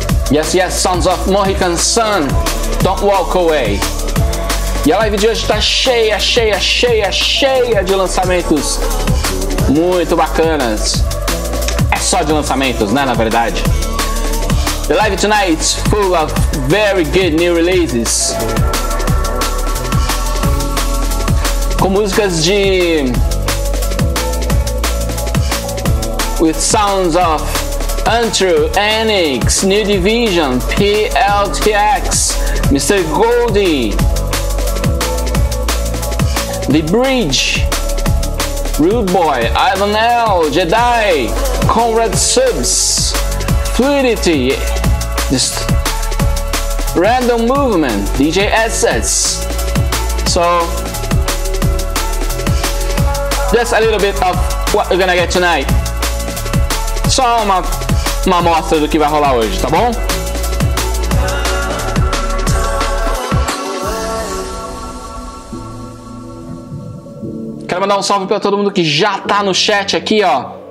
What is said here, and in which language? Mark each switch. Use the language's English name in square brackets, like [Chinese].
[English] Yes, yes, sons of Mohican Sun, don't walk away. [Portuguese] E a live de hoje tá cheia, cheia, cheia, cheia de lançamentos muito bacanas. É só de lançamentos, né, na verdade. [English] The live tonight full of very good new releases. [Portuguese] Com músicas de... [English] With sounds of Untrue, Annix, New Division, PLTX, Mr. Goldie, The Bridge, Rude Boy, Ivan L, Jedi, Conrad Subs, Fluidity, just Random Movement, DJ Assets. So, just a little bit of what we're gonna get tonight. [Portuguese] Só uma amostra do que vai rolar hoje, tá bom? Quero mandar um salve pra todo mundo que já tá no chat aqui, ó.